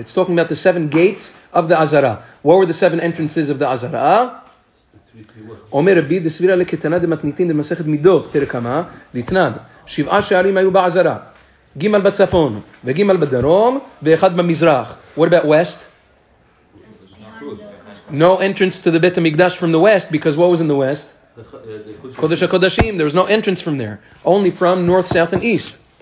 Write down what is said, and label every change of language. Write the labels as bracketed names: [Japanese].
[English] It's talking about the 7 gates of the Azara. What were the 7 entrances of the Azara? [Hebrew] אומר רבי דסבירא לקטנא דמתניתין דמסכת מידות פרק מה דתנן שבעה שערים היו בעזרה ג' בצפון וג' בדרום ואחד במזרח. [English] What about west? No entrance to the Beit HaMikdash from the west, because what was in the west? Kodesh HaKodashim. There was no entrance from there, only from north, south and east.